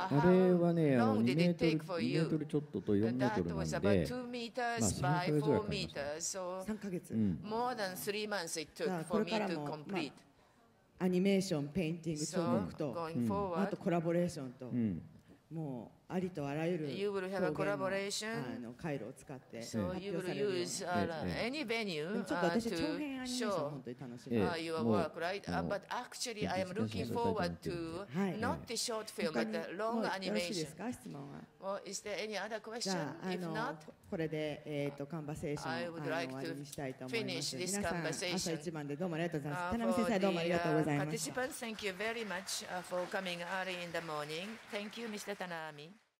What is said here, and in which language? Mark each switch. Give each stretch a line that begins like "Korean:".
Japanese: あれはね、2メートルちょっとと4メートルなんで、 3ヶ月ぐらいかかりました。 3ヶ月。
English: More than 3 months it took for me to complete.
Japanese: アニメーション、ペインティング、彫刻と、あとコラボレーションと、もうありとあらゆる表現
English: have a collaboration.
Japanese: あの回路を使って発表されるような、
English: any venue,
Japanese: ちょっと私長編アニメーション本当に楽しみ、
English: your work, right? But actually, I am looking forward to not the short film, but the long animation. Well, is there any other question? If not,
Japanese: これで、カンバセーション終わりにしたいと思います。皆さん、朝一番でどうもありがとうございます。田波先生、どうもありがとうございました。
English: Participants, thank you very much for coming early in the morning. Thank you, Mr. Tanami.